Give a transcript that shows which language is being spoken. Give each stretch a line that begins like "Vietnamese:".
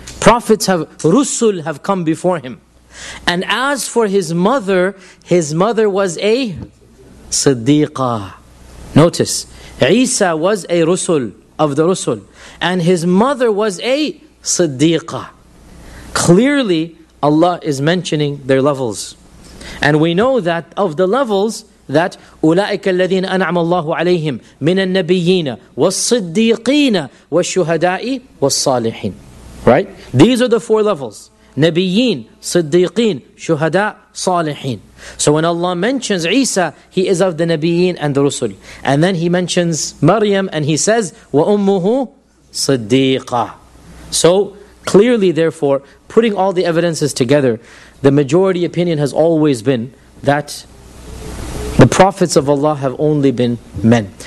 English: Prophets have rusul have come before him, and as for his mother was a siddiqa. Notice. Isa was a Rusul of the Rusul, and his mother was a Siddiqa. Clearly, Allah is mentioning their levels.
Arabic: And we know that of the levels, that أُولَٰئِكَ الَّذِينَ أَنْعَمَ اللَّهُ عَلَيْهِمْ مِنَ النَّبِيِّينَ وَالصِّدِّيقِينَ وَالشُّهَدَاءِ وَالصَّالِحِينَ.
English: Right? These are the four levels. Nabiyyin, Siddiqeen, Shuhada, Salihin. So when Allah mentions Isa, he is of the Nabiyyin and the Rusul. And then he mentions Maryam and he says, Wa ummuhu Siddiqa. So clearly, therefore, putting all the evidences together, the majority opinion has always been that the prophets of Allah have only been men.